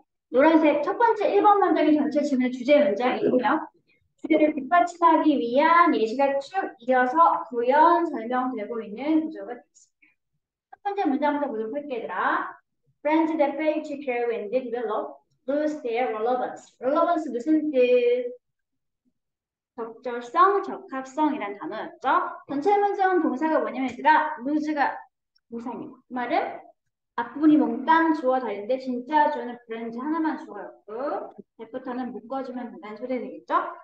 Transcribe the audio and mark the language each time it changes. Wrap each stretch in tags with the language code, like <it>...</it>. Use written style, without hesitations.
<ko>노란색 첫 번째 1번 문장이 전체 주는 주제 문장이고요. 주제를 뒷받침하기 위한 예시가 쭉 이어서 구현 설명되고 있는 구조가 됐습니다. 첫 번째 문장부터 보도록 할게요, 얘들아.</ko> <en>Friends that fail to care when they develop lose their relevance.</en> <ko>Relevance 무슨 뜻? 적절성, 적합성이란 단어였죠. 전체 문장 동사가 뭐냐면 얘들아, lose가 동사입니다. 그 말은? 앞부분이 몽땅 주어져 있는데 진짜 주어는 브랜드 하나만 주어졌고 대표타는 묶어주면 된다는 소리 되겠죠?</ko>